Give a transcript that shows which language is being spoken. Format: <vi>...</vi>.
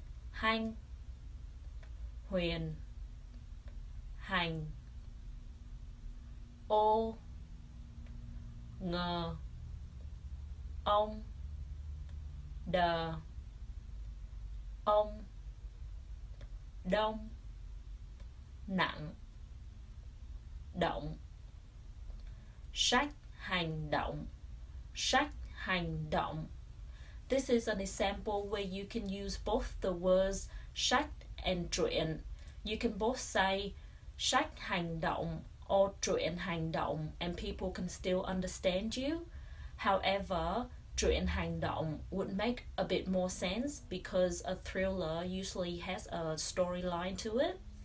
<vi>hành huyền hành ô ngờ ông đờ ông đông nặng động sách hành động sách hành động.</vi> <en>This is an example where you can use both the words sách and truyện. You can both say sách hành động or truyện hành động, and people can still understand you. However, truyện hành động would make a bit more sense because a thriller usually has a storyline to it.</en>